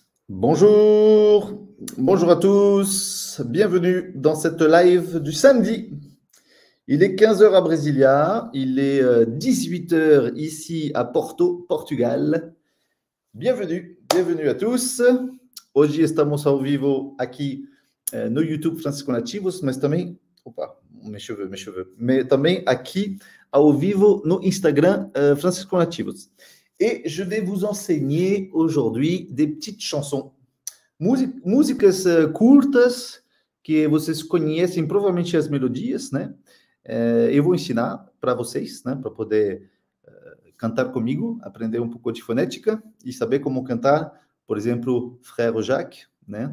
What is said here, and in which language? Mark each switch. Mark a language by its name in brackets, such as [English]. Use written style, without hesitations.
[French] Bonjour, bonjour à tous, bienvenue dans cette live du samedi. Il est 15h à Brasilia, il est 18h ici à Porto, Portugal. Bienvenue, bienvenue à tous. [Portuguese] Hoje estamos ao vivo aqui no YouTube Francisco Nativos, mas também, opa, [French] mes cheveux, [Portuguese] mais também aqui ao vivo no Instagram Francisco Nativos. [French] Et je vais vous enseigner aujourd'hui des petites chansons. [Portuguese] Músicas curtas que vocês conhecem provavelmente as melodias, né? Eu vou ensinar para vocês, né? Para poder cantar comigo, aprender um pouco de fonética e saber como cantar, por exemplo, Frère Jacques, né?